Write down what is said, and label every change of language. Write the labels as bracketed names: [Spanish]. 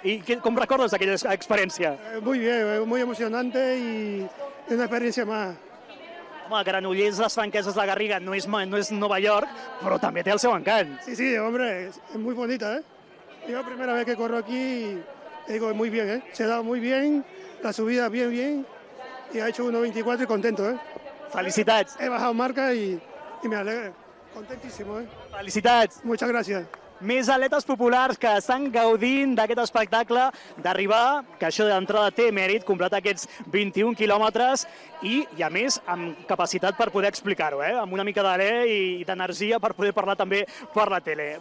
[Catalan] I com recordes aquella experiència? [Spanish] Muy bien, muy emocionante y una experiencia más. [Catalan] Home, Granollers, les franqueses, la Garriga, no és Nova York, però també té el seu encant. [Spanish] Sí, hombre, es muy bonita, ¿eh? Yo la primera vez que corro aquí y digo, muy bien, ¿eh? Se ha dado muy bien, la subida bien, y ha hecho 1:24 y contento, ¿eh? [Catalan] Felicitats. [Spanish] He bajado marca y me alegro, contentísimo, ¿eh? [Catalan] Felicitats. [Spanish] Muchas gracias. [Catalan] Més atletes populars que estan gaudint d'aquest espectacle d'arribar, que això d'entrada té mèrit, completar aquests 21 quilòmetres i, a més, amb capacitat per poder explicar-ho, eh? Amb una mica d'alè i d'energia per poder parlar també per la tele.